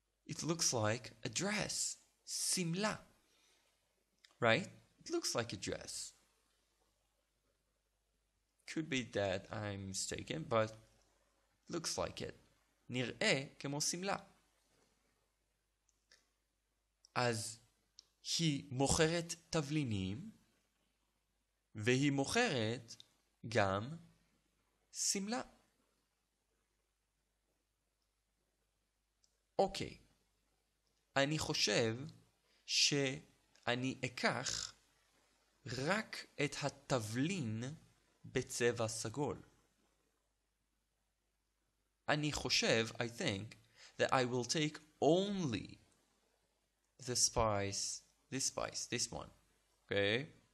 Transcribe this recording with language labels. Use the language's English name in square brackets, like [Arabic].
[English] It looks like a dress. סמלה. Right? It looks like a dress. Could be that I'm mistaken, but looks like it. [Hebrew] נראה כמו סמלה. אז היא מוכרת תבלינים, והיא מוכרת גם סמלה. אוקיי, אני חושב שאני אקח רק את התבלין בצבע סגול. אני חושב, [English] I think, that I will take only the spice, this spice, this one, okay?